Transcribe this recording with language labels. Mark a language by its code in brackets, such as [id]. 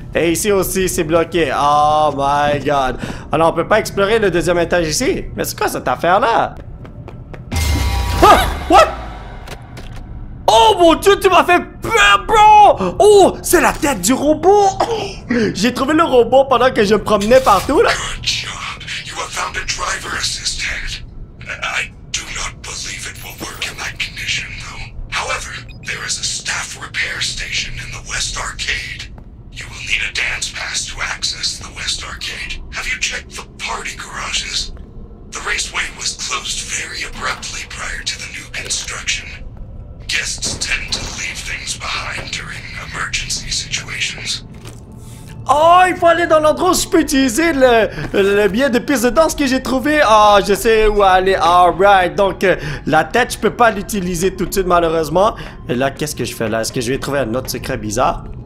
[fr] Et ici aussi, c'est bloqué. Oh my god. Alors, on peut pas explorer le deuxième étage ici? Mais c'est quoi cette affaire-là? Ah! What? Oh mon dieu, tu m'as fait peur, bro! Oh, c'est la tête du robot! Oh. J'ai trouvé le robot pendant que je me promenais partout, là. [en] You have found a driver assistant. I do not believe it will work in that condition, though. However, there is a staff repair station in the West Arcade. You will need a dance pass to access the West Arcade. Have you checked the party garages? The raceway was closed very abruptly prior to the new construction. Guests tend to leave things behind during emergency situations. [fr] Oh, il faut aller dans l'endroit où je peux utiliser le billet de piste de danse que j'ai trouvé. Oh, je sais où aller. Alright, donc la tête, je peux pas l'utiliser tout de suite, malheureusement. Et là, qu'est-ce que je fais là? Est-ce que je vais trouver un autre secret bizarre?